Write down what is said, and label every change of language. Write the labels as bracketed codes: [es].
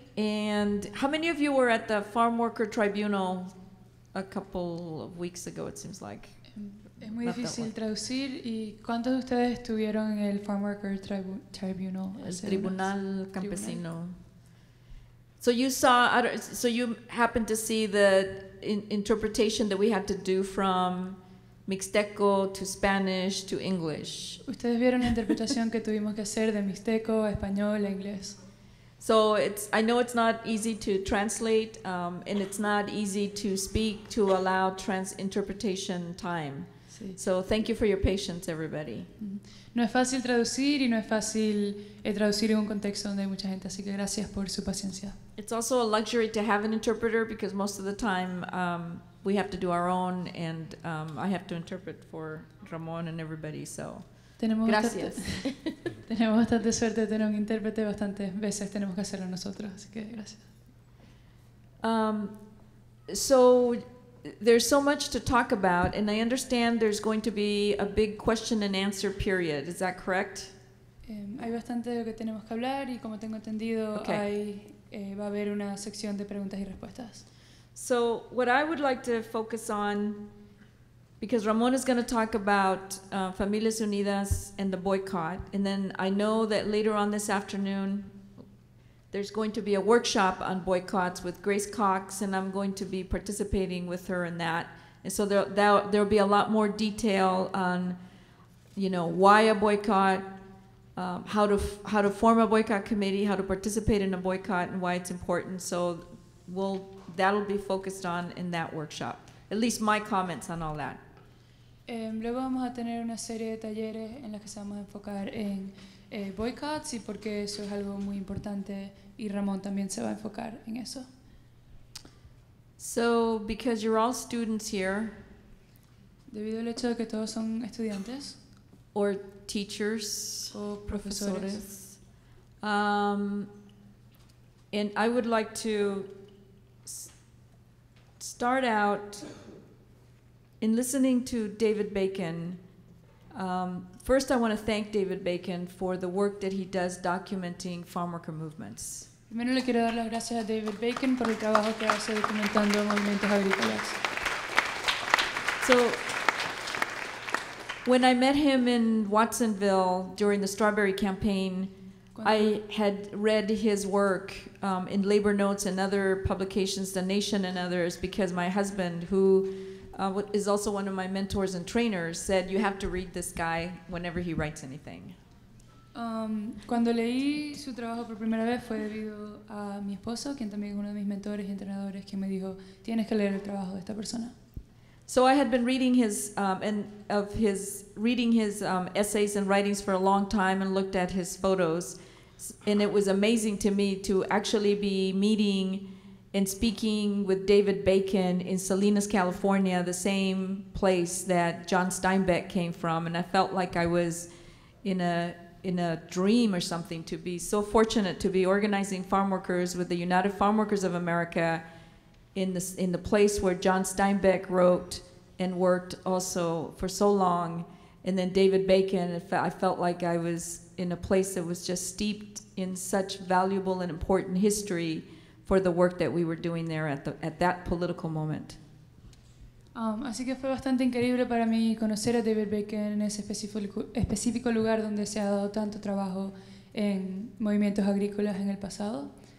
[en] And how many of you were at the Farm Worker Tribunal a couple of weeks ago, it seems like? [es] Es muy difícil traducir. ¿Y cuántos de ustedes estuvieron en el Farmworker Tribunal? El Tribunal Campesino. [en] So you saw, so you happened to see the interpretation that we had to do from Mixteco to Spanish to English. [es] Ustedes vieron la interpretación que tuvimos que hacer de Mixteco a español a inglés. [en] So I know it's not easy to translate, and it's not easy to speak to allow interpretation time. [es] Sí. [en] So thank you for your patience, everybody. [es] No es fácil traducir y no es fácil traducir en un contexto donde hay mucha gente, así que gracias por su paciencia. [en] It's also a luxury to have an interpreter because most of the time we have to do our own, and I have to interpret for Ramon and everybody. So. [es] Tenemos bastante suerte de tener un intérprete, bastantes veces tenemos que hacerlo nosotros, así que gracias. [en] So there's so much to talk about, and I understand there's going to be a big question and answer period, is that correct? [es] Hay bastante de lo que tenemos que hablar, y como tengo entendido, okay. Va a haber una sección de preguntas y respuestas. [en] So what I would like to focus on, because Ramón is going to talk about Familias Unidas and the boycott, and then I know that later on this afternoon there's going to be a workshop on boycotts with Grace Cox, and I'm going to be participating with her in that. And so there'll be a lot more detail on, you know, why a boycott, how to form a boycott committee, how to participate in a boycott, and why it's important. So that'll be focused on in that workshop. At least my comments on all that. [es] Luego vamos a tener una serie de talleres en los que se vamos a enfocar en boycotts y por qué eso es algo muy importante, y Ramón también se va a enfocar en eso. [en] So, because you're all students here, [es] debido al hecho de que todos son estudiantes, [en] or teachers, [es] o profesores, [en] and I would like to start out in listening to David Bacon, First, I want to thank David Bacon for the work that he does documenting farm worker movements. [es] Primero le quiero dar las gracias a David Bacon por el trabajo que hace documentando movimientos agrícolas. [en] So, when I met him in Watsonville during the strawberry campaign, I had read his work in Labor Notes and other publications, The Nation and others, because my husband, who is also one of my mentors and trainers, said, you have to read this guy whenever he writes anything. [es] Cuando leí su trabajo por primera vez fue debido a mi esposo, quien también es uno de mis mentores y entrenadores, quien me dijo, tienes que leer el trabajo de esta persona. [en] So I had been reading his essays and writings for a long time and looked at his photos, and it was amazing to me to actually be meeting and speaking with David Bacon in Salinas, California, the same place that John Steinbeck came from, and I felt like I was in a dream or something, to be so fortunate to be organizing farmworkers with the United Farmworkers of America in the place where John Steinbeck wrote and worked also for so long, and then David Bacon, I felt like I was in a place that was just steeped in such valuable and important history for the work that we were doing there at that political moment. [es] Así que fue bastante increíble para mí conocer a David Bacon en ese específico lugar donde se ha dado tanto trabajo en movimientos agrícolas en el pasado.